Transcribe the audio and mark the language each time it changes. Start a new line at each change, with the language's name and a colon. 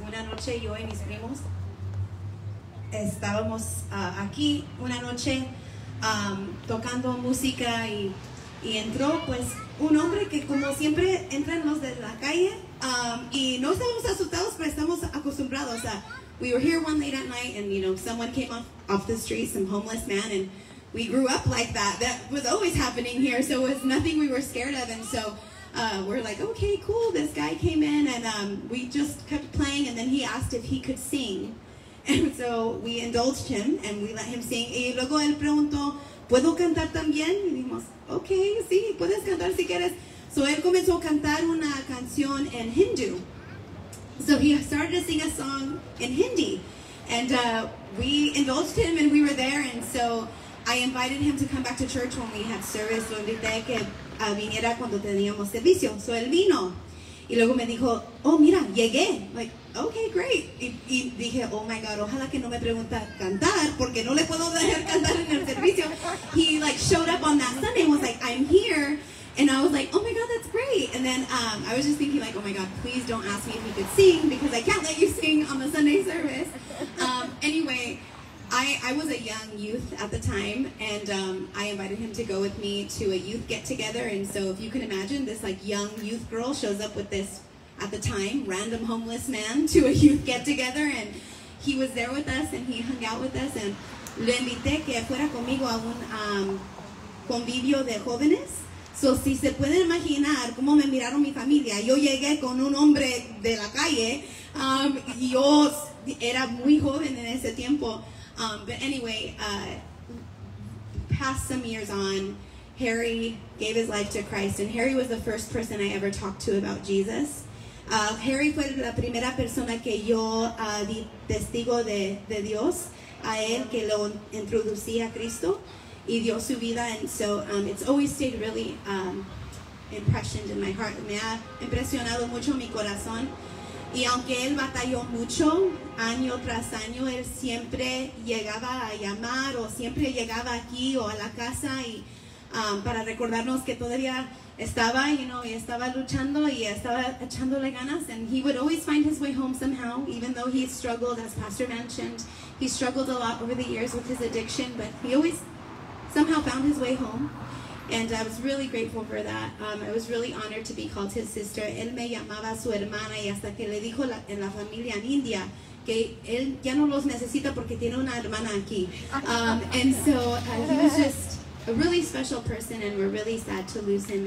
Spanish: Una noche yo y mis primos estábamos aquí una noche tocando música y entró pues un hombre que como siempre entran los de la calle y no estábamos asustados, pero estamos acostumbrados a...
English: We were here one late at night and, you know, someone came off the street, some homeless man, and we grew up like that. That was always happening here, so it was nothing we were scared of. And so we're like, okay, cool, this guy came in, and we just kept playing, and then he asked if he could sing. And so we indulged him, and we let him sing.
Spanish: Y luego él preguntó, ¿puedo cantar también? Y dijimos, okay, sí, puedes cantar si quieres. So él comenzó a cantar una canción en Hindu.
English: So he started to sing a song in Hindi, and we indulged him and we were there. And so I invited him to come back to church when we had service.
Spanish: Lo invité que viniera cuando teníamos servicio. So él vino. Y luego me dijo, oh, mira, llegué.
English: Like, okay, great.
Spanish: Y dije,
English: oh my God,
Spanish: ojalá que no me pregunta cantar, porque no le puedo dejar cantar en el servicio.
English: He like showed up on that Sunday and was like, I'm here. And I was like, oh my God, that's great. And then I was just thinking like, oh my God, please don't ask me if you could sing, because I can't let you sing on the Sunday service. Anyway, I was a young youth at the time, and I invited him to go with me to a youth get together. And so if you can imagine, this like young youth girl shows up with this, at the time, random homeless man to a youth get together, and he was there with us and he hung out with us.
Spanish: And le invité que fuera conmigo a un convivio de jóvenes. So si se pueden imaginar cómo me miraron mi familia, yo llegué con un hombre de la calle. Yo era muy joven en ese tiempo.
English: But anyway, past some years on, Harry gave his life to Christ, and Harry was the first person I ever talked to about Jesus.
Spanish: Harry fue la primera persona que yo di testigo de Dios, a él que lo introducí a Cristo y dio su vida.
English: And so it's always stayed really impressioned in my heart.
Spanish: Me ha impresionado mucho mi corazón. Y aunque él batalló mucho, año tras año, él siempre llegaba a llamar o siempre llegaba aquí o a la casa y para recordarnos que todavía estaba, you know, y estaba luchando y estaba echándole ganas.
English: And he would always find his way home somehow, even though he struggled, as Pastor mentioned. He struggled a lot over the years with his addiction, but he always somehow found his way home. And I was really grateful for that. I was really honored to be called his sister.
Spanish: Él me llamaba su hermana, y hasta que le dijo en la familia en India que él ya no los necesita porque tiene una hermana aquí.
English: And so he was just a really special person, and we're really sad to lose him.